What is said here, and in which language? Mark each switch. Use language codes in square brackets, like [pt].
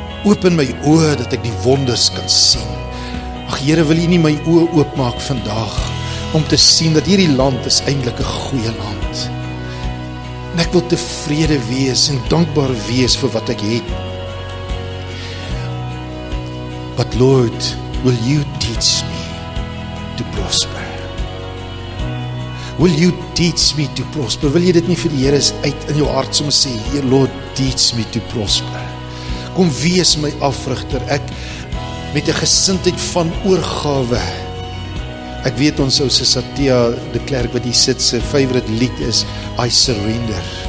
[af] Open my oë dat ek die wonders kan sien. Ag Here, wil U nie my oë oopmaak vandag om te sien dat hierdie land is eintlik 'n goeie land. En ek wil tevrede wees en dankbaar wees vir wat ek het. [en] But Lord, will You teach me to prosper? Will You teach me to prosper? [af] Wil jy dit nie vir die Here uit in jou hart sommer sê, Heer [en] Lord, teach me to prosper. [af] Kom wees my afrigter. Ek met 'n gesindheid van oorgawe. Ek weet ons ou Satia de Klerk wat hier sit se favorite lied is I surrender.